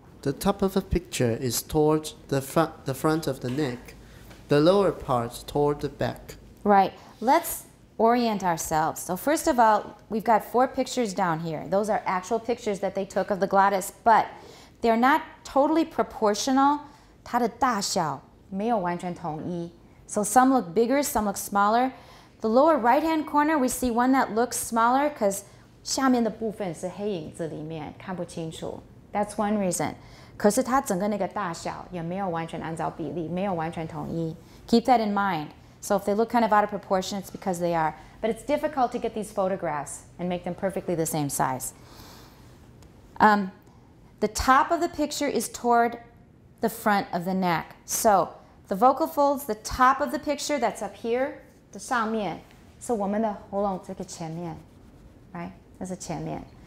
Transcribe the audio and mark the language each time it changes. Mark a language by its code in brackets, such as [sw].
[en] The top of the picture is toward the front of the neck, the lower part toward the back. Right. Let's orient ourselves. So first of all, we've got four pictures down here. Those are actual pictures that they took of the glottis, but they're not totally proportional. [zh] 它的大小没有完全统一。 [en] So some look bigger, some look smaller. The lower right-hand corner, we see one that looks smaller because [zh] 下面的部分是黑影子里面看不清楚。 [en] That's one reason. [zh] 可是它整个那个大小也没有完全按照比例，没有完全统一。 [en] Keep that in mind. So if they look kind of out of proportion, it's because they are. But it's difficult to get these photographs and make them perfectly the same size. The top of the picture is toward the front of the neck. So the vocal folds, the top of the picture that's up here, [zh] 的上面是我们的喉咙这个前面 [en] right? [zh] 那是前面。